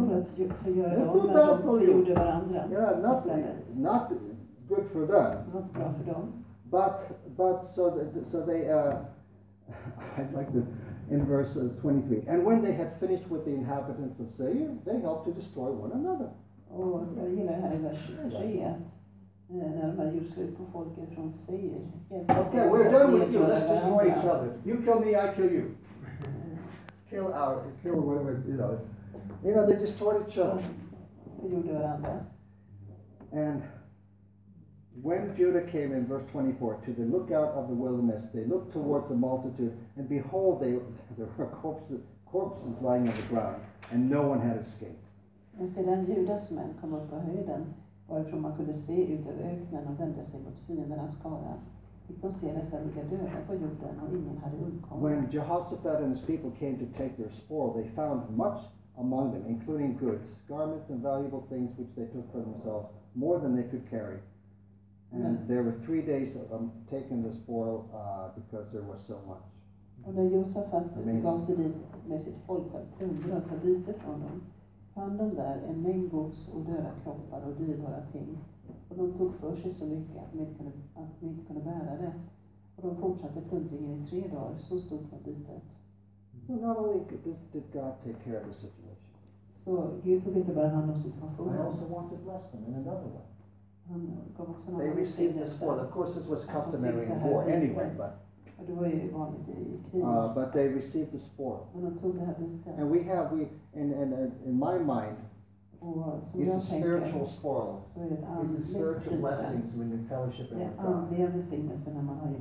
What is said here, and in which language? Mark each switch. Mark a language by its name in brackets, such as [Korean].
[English] Not good for them. [Swedish] Not bra för dem. [English] But so they. I like this in verse 23. And when they had finished with the inhabitants of Seir, they helped to destroy one another. [Swedish] Oh, jag gillar här i vers 23 att när de hade gjort slut på folket från Seir. [English] Okay, we're done with you. Let's destroy each other. You kill me, I kill you. kill whatever, you know, they destroyed each other. [Swedish] De gjorde varandra. [English] And when Judah came in verse 24 to the lookout of the wilderness, they looked towards the multitude, and behold, there were corpses lying on the ground, and no one had escaped. [Swedish] Men sedan Judas män kom upp på höjden, varifrån man kunde se ut över öknen och vände sig mot fiendernas skara, fick de se dessa ligga döda på jorden, och ingen hade undkommit. [English] When Jehoshaphat and his people came to take their spoil, they found much among them, including goods, garments, and valuable things which they took for themselves, more than they could carry. And there were 3 days of them taking the spoil because there was so much. [Swedish] Och när Josafat gav sig dit med sitt folk för att plundra och ta byte från dem, fann de där en mängd gods och döda kroppar och dyrbara ting. Och de tog för sig så mycket att de inte kunde bära det. Och de fortsatte plundringen i 3 dagar, så stort var bytet. [English] Not only did God take care of the situation. [Swedish] Så Gud tog inte bara hand om situationen. [English] I also want to bless them in another way. Mm. They received the spoil. Of course, this was customary in war anyway, but they received the spoil. And we have, in my mind, it's a spiritual spoil. It's a spiritual blessing when you're fellowshipping with God.